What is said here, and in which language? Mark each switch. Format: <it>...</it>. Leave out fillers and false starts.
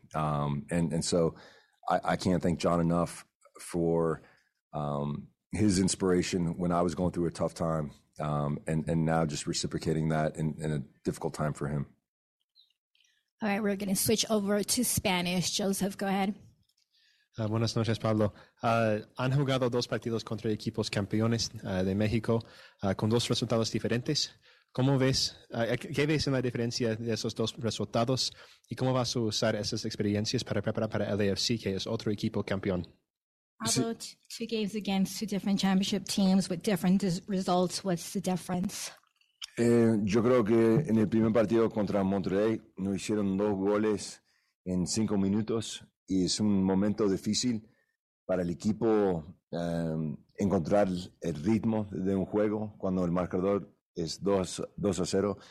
<en>So I can't thank John enough for his inspiration when I was going through a tough time, and now just reciprocating that in a difficult time for him. All right, we're going to switch over to Spanish. Joseph, go ahead.</en> <es>Buenas noches, Pablo. Han jugado dos partidos contra equipos campeones de México con dos resultados diferentes. ¿Cómo ves, qué ves en la diferencia de esos dos resultados y cómo vas a usar esas experiencias para preparar para LAFC, que es otro equipo campeón?</es> <en>Pablo, two games against two different championship teams with different results. What's the difference?</en> <es>Yo creo que en el primer partido contra Monterrey nos hicieron dos goles en cinco minutos y es un momento difícil para el equipo encontrar el ritmo de un juego cuando el marcador es 2-0.</es>